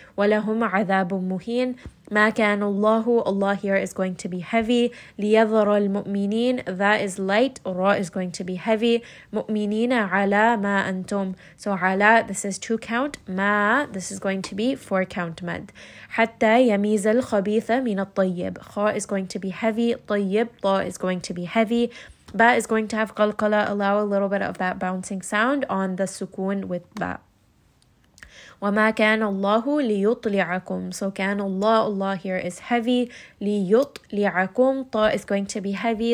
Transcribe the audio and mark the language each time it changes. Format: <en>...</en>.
<ar>ولهم عذاب مهين. ما كان الله,</ar> <en>Allah here is going to be heavy.</en> <ar>ليظهر المؤمنين,</ar> <en>that is light. را is going to be heavy.</en> <ar>مؤمنين على ما أنتم.</ar> <en>So على, this is two count. ما, this is going to be four count mad.</en> <ar>حتى يميز الخبيث من الطيب.</ar> <en>خا is going to be heavy. طيب, ضا is going to be heavy. Ba is going to have قلقلة. Allow a little bit of that bouncing sound on the sukun with ba.</en> <ar>وَمَا كَانَ اللَّهُ لِيُطْلِعَكُمْ.</ar> <en>So</en> <ar>كان الله,</ar> <en>Allah here is heavy. لِيُطْلِعَكُمْ, طَ is going to be heavy.</en>